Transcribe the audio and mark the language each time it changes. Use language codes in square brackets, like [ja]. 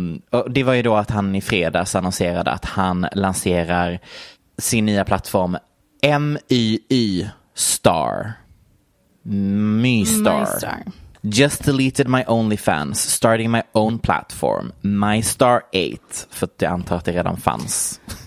[sv] Och det var ju då att han i fredags annonserade att han lanserar sin nya plattform MYY Star. My Star. [en] Just deleted my OnlyFans, starting my own platform, My Star 8. [sv] För att jag antar att det redan fanns.